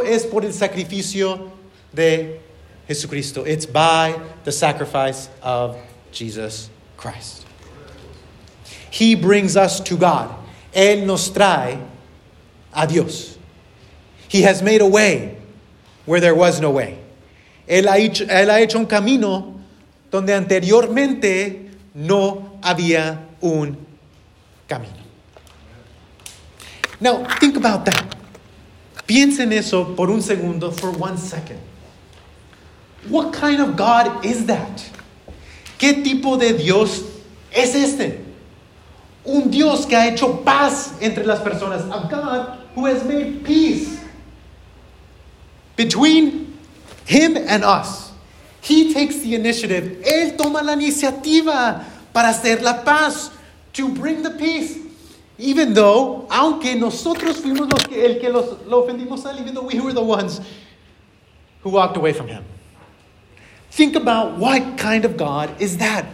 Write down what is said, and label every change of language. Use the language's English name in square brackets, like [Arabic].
[Spanish] Es por el sacrificio de Jesucristo. [English] It's by the sacrifice of Jesus Christ. He brings us to God. [Spanish] Él nos trae a Dios. [English] He has made a way where there was no way. [Spanish] Él ha hecho un camino donde anteriormente no había un camino. [English] Now, think about that. [Spanish] Piensa en eso por un segundo, [English] for one second. What kind of God is that? [Spanish] ¿Qué tipo de Dios es este? Un Dios que ha hecho paz entre las personas. [English] A God who has made peace between him and us. He takes the initiative. [Spanish] Él toma la iniciativa para hacer la paz, [English] to bring the peace. Even though, [Spanish] aunque nosotros fuimos los que, el que los, lo ofendimos a él, [English] even though we were the ones who walked away from him. Think about what kind of God is that.